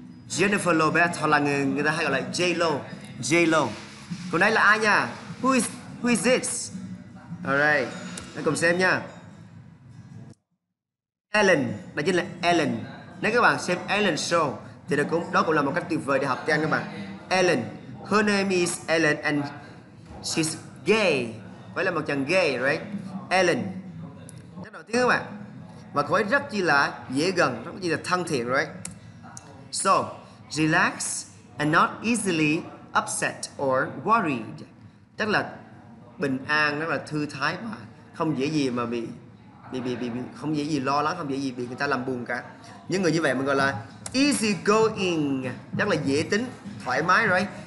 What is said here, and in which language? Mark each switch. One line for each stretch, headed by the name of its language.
Vietnamese: Jennifer Lopez, hoặc là người ta hay gọi là J-Lo. J-Lo. Cô này là ai nha?
English: Who is this? All right.
Vietnamese: Cùng xem nha. Ellen, đó chính là Ellen. Nếu các bạn xem Ellen show thì đó cũng là một cách tuyệt vời để học tiếng các bạn.
English: Ellen, her name is Ellen and she's gay.
Vietnamese: Cô ấy là một chàng gay, right? Ellen. Rất nổi tiếng các bạn. Và cô ấy rất chi là dễ gần, rất chi là thân thiện, right?
English: So, relax and not easily upset or worried.
Vietnamese: Tức là bình an, rất là thư thái và không dễ gì mà bị không dễ gì lo lắng, không dễ gì bị người ta làm buồn cả. Những người như vậy mình gọi là easy going, rất là dễ tính, thoải mái, right?